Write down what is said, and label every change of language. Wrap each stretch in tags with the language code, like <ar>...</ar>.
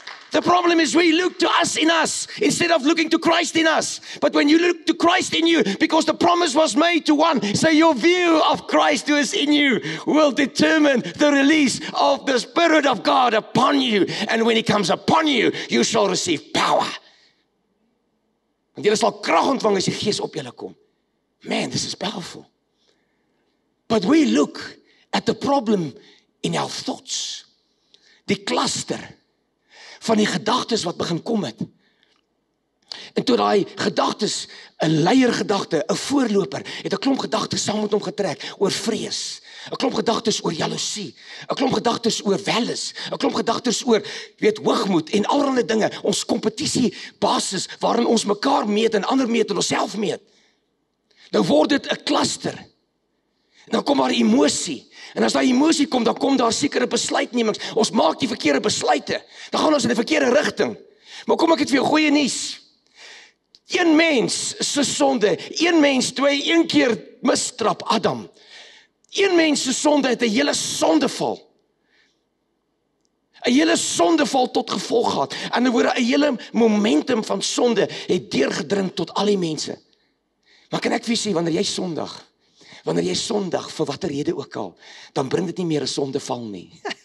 <en>The problem is we look to us in us instead of looking to Christ in us. But when you look to Christ in you, because the promise was made to one, so your view of Christ who is in you will determine the release of the Spirit of God upon you. And when He comes upon you, you shall receive power.</en> <af>Want jy sal krag ontvang as die Gees op jou kom.</af> <en>Man, this is powerful. But we look at the problem in our thoughts.</en> <af>Die cluster van die gedagtes wat begin kom het. En toe die gedagtes, een leier gedagte, een voorloper, het een klomp gedagtes saam met hom getrek, oor vrees, een klomp gedagtes oor jaloesie, een klomp gedagtes oor welis, een klomp gedagtes oor, weet, hoogmoed, en allerhande dinge, ons competitie basis, waarin ons mekaar meet, en ander meet, en ons self meet. Nou word dit een cluster, en dan kom daar emosie, en as daar emosie kom, dan kom daar sekere besluitnemings. Ons maak die verkeerde besluite. Dan gaan ons in die verkeerde richting. Maar kom ek het vir jou goeie nuus. Een mens se sonde, een mens twee, een keer mistrap Adam. Een mens se sonde het 'n hele sondeval. 'N hele sondeval tot gevolg gehad. En dan word 'n hele momentum van sonde het deurgedring tot al die mense. Maar kan ek vir jou sê, wanneer jy sondig, wanneer jy sondig, vir watter rede ook al, dan bring dit nie meer 'n sondeval nie.</af>